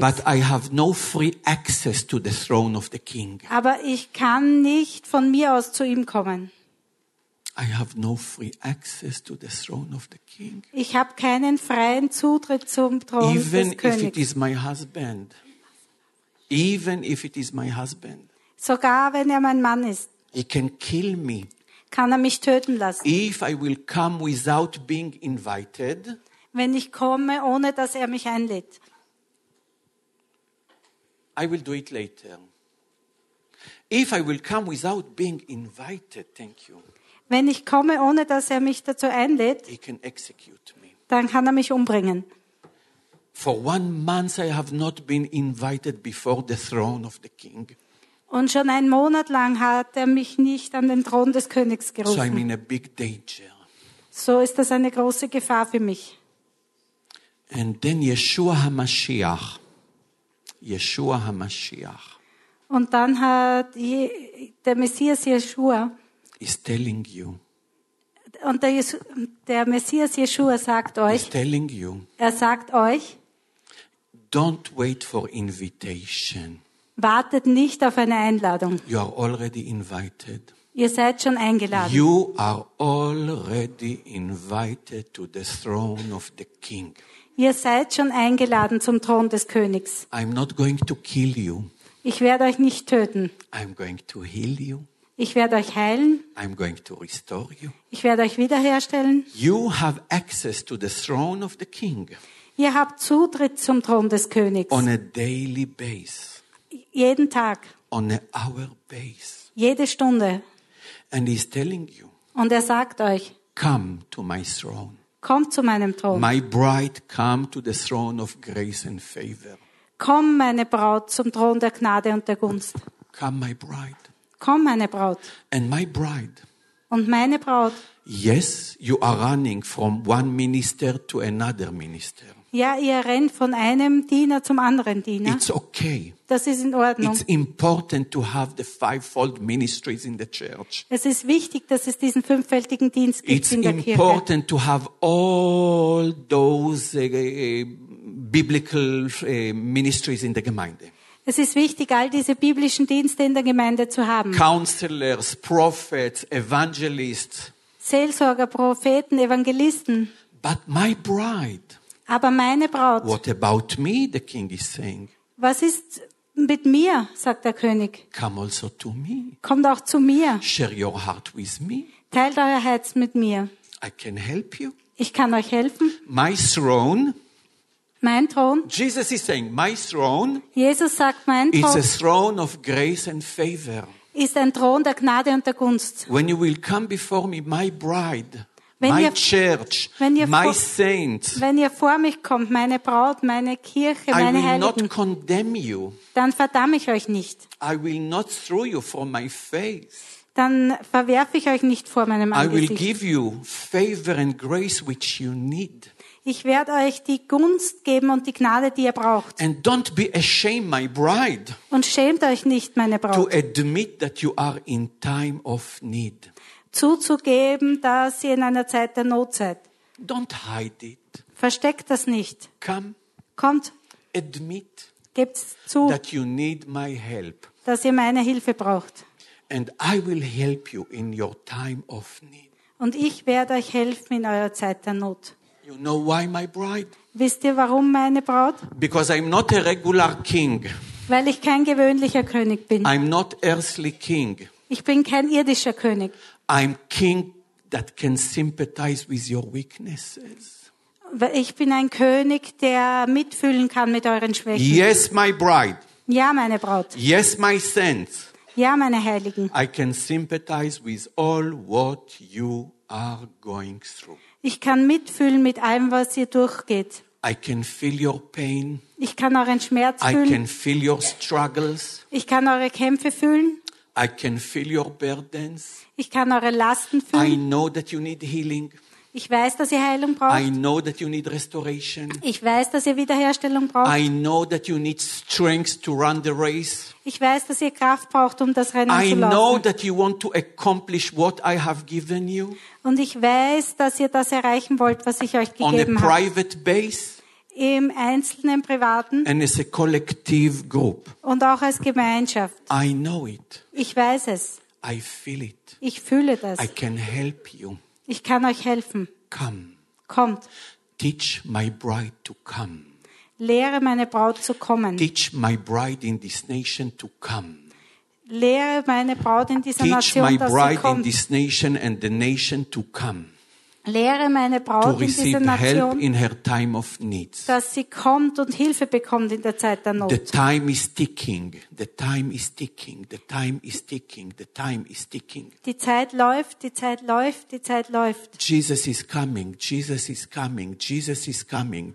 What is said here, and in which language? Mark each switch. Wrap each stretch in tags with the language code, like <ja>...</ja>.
<en>But I have no free access to the throne of the king.</en> <de>Aber ich kann nicht von mir aus zu ihm kommen.</de> <en>I have no free access to the throne of the king.</en> <de>Ich habe keinen freien Zutritt zum Thron</de> <en>Even</en> <de>des Königs.</de> <en>Even if it is my husband. Even if it is my husband.</en> <de>Sogar wenn er mein Mann ist.</de> <en>He can kill me.</en> <de>Kann er mich töten lassen?</de> <en>If I will come without being invited.</en> <de>Wenn ich komme, ohne dass er mich einlädt.</de> <en>I will do it later. If I will come without being invited, thank you.</en> <de>Wenn ich komme, ohne dass er mich dazu einlädt,</de> <en>he can execute me.</en> <de>Dann kann er mich umbringen.</de> <en>For 1 month I have not been invited before the throne of the king.</en> <de>Und schon einen Monat lang hat er mich nicht an den Thron des Königs gerufen.</de> <en>So, I'm in a big danger.</en> <de>So ist das eine große Gefahr für mich.</de> <en>And then Yeshua HaMashiach. Yeshua HaMashiach.</en> <de>Und dann hat der Messias Yeshua</de> <en>is telling you.</en> <de>Und der Messias Yeshua sagt euch,</de> <en>is telling you,</en> <de>er sagt euch,</de> <en>don't wait for invitation.</en> <de>Wartet nicht auf eine Einladung.</de> <en>You are already invited.</en> <de>Ihr seid schon eingeladen.</de> <en>You are already invited to the throne of the king.</en> <de>Ihr seid schon eingeladen zum Thron des Königs.</de> <en>I'm not going to kill you.</en> <de>Ich werde euch nicht töten.</de> <en>I'm going to heal you.</en> <de>Ich werde euch heilen.</de> <en>I'm going to restore you.</en> <de>Ich werde euch wiederherstellen.</de> <en>You have access to the throne of the king.</en> <de>Ihr habt Zutritt zum Thron des Königs.</de> <en>On a daily basis.</en> <de>Jeden Tag.</de> <en>On an hour base.</en> <de>Jede Stunde.</de> <en>And he's telling you.</en> <de>Und er sagt euch.</de> <en>Come to my throne.</en> <de>Kommt zu meinem Thron.</de> <en>My bride, come to the throne of grace and favor.</en> <de>Komm, meine Braut, zum Thron der Gnade und der Gunst.</de> <en>Come, my bride.</en> <de>Komm, meine Braut.</de> <en>And my bride.</en> <de>Und meine Braut.</de> <en>Yes, you are running from one minister to another minister.</en> <de>Ja, ihr rennt von einem Diener zum anderen Diener.</de> <en>It's okay.</en> <de>Das ist in Ordnung.</de> <en>It's important to have the fivefold ministries in the church.</en> <de>Es ist wichtig, dass es diesen fünffältigen Dienst gibt</de> <en>It's</en> <de>in der Kirche.</de> <en>It's important to have all those biblical ministries in the Gemeinde.</en> <de>Es ist wichtig, all diese biblischen Dienste in der Gemeinde zu haben.</de> <en>Counselors, prophets, evangelists.</en> <de>Seelsorger, Propheten, Evangelisten.</de> <en>But my bride.</en> <de>Aber meine Braut.</de> <en>What about me, the king is saying.</en> <de>Was ist mit mir, sagt der König.</de> <en>Come also to me.</en> <de>Kommt auch zu mir.</de> <en>Share your heart with me.</en> <de>Teilt euer Herz mit mir.</de> <en>I can help you.</en> <de>Ich kann euch helfen.</de> <en>My throne.</en> <de>Mein Thron.</de> <en>Jesus is saying, my throne.</en> <de>Jesus sagt, mein Thron.</de> <en>It's a throne of grace and favor.</en> <de>Ist ein Thron der Gnade und der Gunst.</de> <en>When you will come before me, my bride.</en> <de>Wenn</de> <en>my</en> <de>ihr,</de> <en>church,</en> <de>wenn ihr</de> <en>my</en> <de>vor,</de> <en>saint,</en> <de>wenn ihr vor mich kommt, meine Braut, meine Kirche, meine Heiligen,</de> <en>I will not condemn you.</en> <de>Dann verdamme ich euch nicht.</de> <en>I will not throw you from my face.</en> <de>Dann verwerfe ich euch nicht vor meinem Angesicht.</de> <en>I will give you favor and grace which you need.</en> <de>Ich werde euch die Gunst geben und die Gnade, die ihr braucht.</de> <en>And don't be ashamed, my bride.</en> <de>Und schämt euch nicht, meine Braut.</de> <en>To admit that you are in time of need.</en> <de>Zuzugeben, dass ihr in einer Zeit der Not seid.</de> <en>Don't hide it.</en> <de>Versteckt das nicht.</de> <en>Come.</en> <de>Kommt.</de> <en>Admit.</en> <de>Gebt zu.</de> <en>That you need my help.</en> <de>Dass ihr meine Hilfe braucht.</de> <en>And I will help you in your time of need.</en> <de>Und ich werde euch helfen in eurer Zeit der Not.</de> <en>You know why my bride?</en> <de>Wisst ihr, warum meine Braut?</de> <en>Because I'm not a regular king.</en> <de>Weil ich kein gewöhnlicher König bin.</de> <en>I'm not earthly king.</en> <de>Ich bin kein irdischer König.</de> <en>I'm king that can sympathize with your weaknesses.</en> <de>Ich bin ein König, der mitfühlen kann mit euren Schwächen.</de> <en>Yes, my bride.</en> <de>Ja, meine Braut.</de> <en>Yes, my saints.</en> <de>Ja, meine Heiligen.</de> <en>I can sympathize with all what you are going through.</en> <de>Ich kann mitfühlen mit allem, was ihr durchgeht.</de> <en>I can feel your pain.</en> <de>Ich kann euren Schmerz</de> <en>I</en> <de>fühlen.</de> <en>I can feel your struggles.</en> <de>Ich kann eure Kämpfe fühlen.</de> <en>I can feel your burdens.</en> <de>Ich kann eure Lasten fühlen.</de> <en>I know that you need healing.</en> <de>Ich weiß, dass ihr Heilung braucht.</de> <en>I know that you need restoration.</en> <de>Ich weiß, dass ihr Wiederherstellung braucht.</de> <en>I know that you need strength to run the race.</en> <de>Ich weiß, dass ihr Kraft braucht, um das Rennen zu laufen.</de> <en>I know that you want to accomplish what I have given you.</en> <de>Und ich weiß, dass ihr das erreichen wollt, was ich euch gegeben habe.</de> <en>On a private base.</en> <de>Im Einzelnen, im Privaten.</de> <en>And as a collective group.</en> <de>Und auch als Gemeinschaft.</de> <en>I know it.</en> <de>Ich weiß es.</de> <en>I feel it.</en> <de>Ich fühle das.</de> <en>I can help you.</en> <de>Ich kann euch helfen.</de> <en>Come.</en> <de>Kommt.</de> <en>Teach my bride to come.</en> <de>Lehre meine Braut zu kommen.</de> <en>Teach my bride in this nation to come.</en> <de>Lehre meine Braut in dieser</de> <en>Teach</en> <de>Nation, dass sie kommt.</de> <en>Teach my bride in this nation and the nation to come.</en> <de>Lehre meine Braut</de> <en>to receive</en> <de>in dieser</de> <en>help</en> <de>Nation,</de> <en>in her time of needs.</en> <de>Dass sie kommt und Hilfe bekommt in der Zeit der Not.</de> <en>The time is ticking. The time is ticking. The time is ticking. The time is ticking.</en> <de>Die Zeit läuft. Die Zeit läuft. Die Zeit läuft.</de> <en>Jesus is coming. Jesus is coming. Jesus is coming.</en>